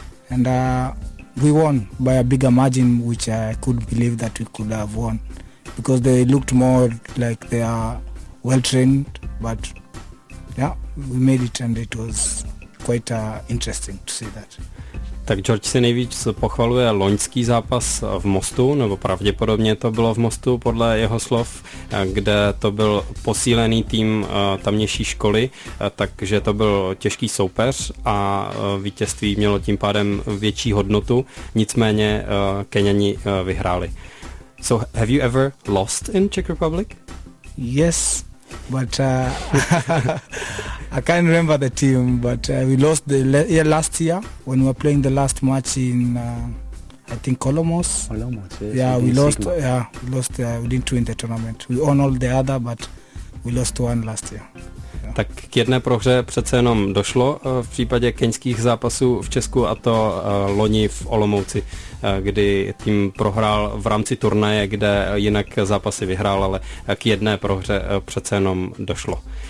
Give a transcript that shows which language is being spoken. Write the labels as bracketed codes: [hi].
[en] And we won by a bigger margin, which I couldn't believe that we could have won. Because they looked more like they are well-trained. But yeah, we made it and it was quite interesting to see that. [cs] Tak George si nejvíc pochvaluje loňský zápas v Mostu, nebo pravděpodobně to bylo v Mostu podle jeho slov, kde to byl posílený tým tamnější školy, takže to byl těžký soupeř a vítězství mělo tím pádem větší hodnotu, nicméně Keňani vyhráli. [en] So have you ever lost in Czech Republic? Yes, but I can't remember the team, but we lost the year last year when we were playing the last match in I think Olomouc. Olomouc, yeah, we lost Sigma. Yeah, we lost, we didn't win the tournament. We won all the other, but we lost one last year. [cs] Tak k jedné prohře přece jenom došlo v případě keňských zápasů v Česku, a to loni v Olomouci, kdy tým prohrál v rámci turnaje, kde jinak zápasy vyhrál, ale k jedné prohře přece jenom došlo.